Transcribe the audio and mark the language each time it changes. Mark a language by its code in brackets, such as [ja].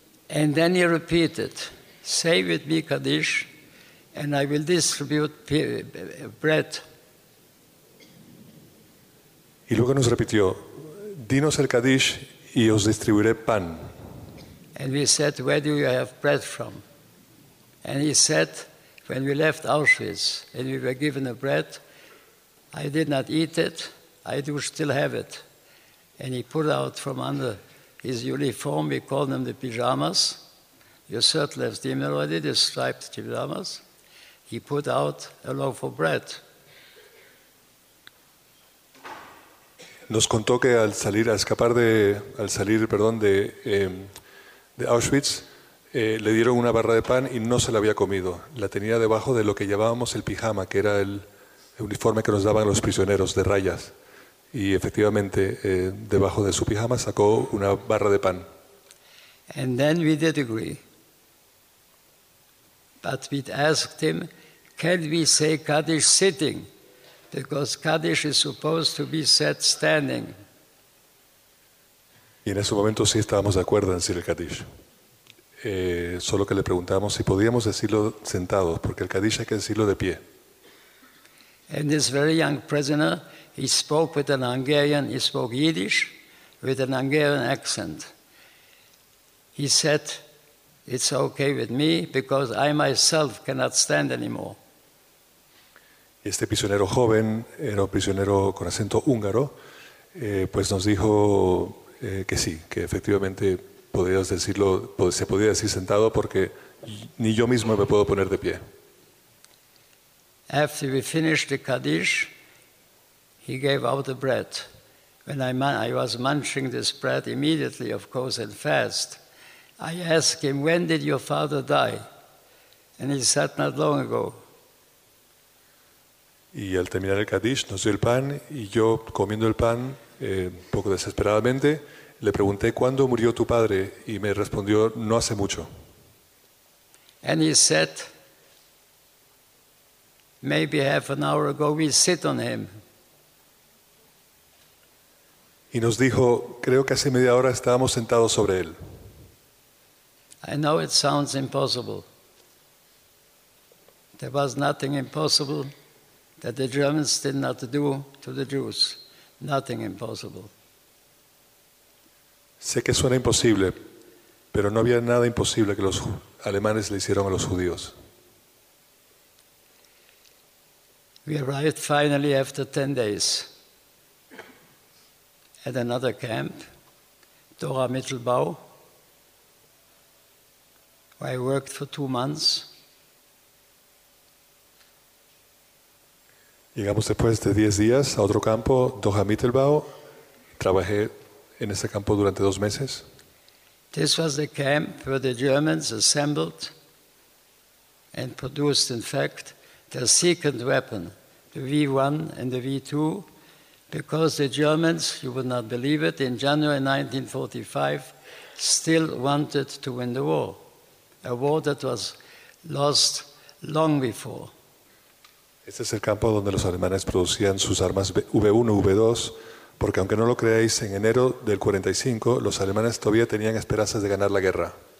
[en] And then he repeated, "Say with me Kaddish, and I will distribute bread." [es] Y luego nos repitió, "Dinos el Kaddish y os distribuiré pan." [en] And we said, "Where do you have bread from?" And he said, "When we left Auschwitz and we were given a bread, I did not eat it, I do still have it." And he put out from under his uniform, we call them the pyjamas, you certainly have seen already, the striped pyjamas. He put out a loaf of bread. [es] Nos contó que al salir de Auschwitz, le dieron una barra de pan y no se la había comido. La tenía debajo de lo que llamábamos el pijama, que era el uniforme que nos daban los prisioneros de rayas. Y efectivamente, debajo de su pijama sacó una barra de pan. [en] And then we did agree. But we asked him, can we say Kaddish sitting? Because Kaddish is supposed to be said standing. [es] Y en ese momento sí estábamos de acuerdo en decir el Kaddish. Solo que le preguntamos si podíamos decirlo sentados, porque el Kaddish hay que decirlo de pie. [en] And this very young prisoner, he spoke with an Hungarian, he spoke Yiddish with an Hungarian accent. He said, it's okay with me because I myself cannot stand anymore. [es] Este prisionero joven era un prisionero con acento húngaro, pues nos dijo que sí, que efectivamente podías decirlo, se podía decir sentado porque ni yo mismo me puedo poner de pie. [en] After we finished the Kaddish, he gave out the bread. When I was munching this bread immediately, of course, and fast, I asked him, when did your father die? And he said, not long ago. [es] Y al terminar el Kaddish, nos dio el pan, y yo, comiendo el pan, poco desesperadamente, le pregunté, ¿cuándo murió tu padre? Y me respondió, no hace mucho. [en] And he said, maybe half an hour ago we sit on him. [es] Y nos dijo, creo que hace media hora estábamos sentados sobre él. [en] I know it sounds impossible. There was nothing impossible that the Germans did not do to the Jews. Nothing impossible. [es] Sé que suena imposible, pero no había nada imposible que los alemanes le hicieron a los judíos. [en] We arrived finally after 10 days at another camp, Dora Mittelbau, where I worked for 2 months. [es] Llegamos después de 10 días a otro campo, Dora Mittelbau. Trabajé en ese campo durante 2 meses. [en] This was the camp where the Germans assembled and produced, in fact, their second weapon, the V1 and the V2, because the Germans, you would not believe it, in January 1945, still wanted to win the war, a war that was lost long before. [es] Este es el campo donde los alemanes producían sus armas V1 y V2, porque aunque no lo creáis, en enero del 45, los alemanes todavía tenían esperanzas de ganar la guerra.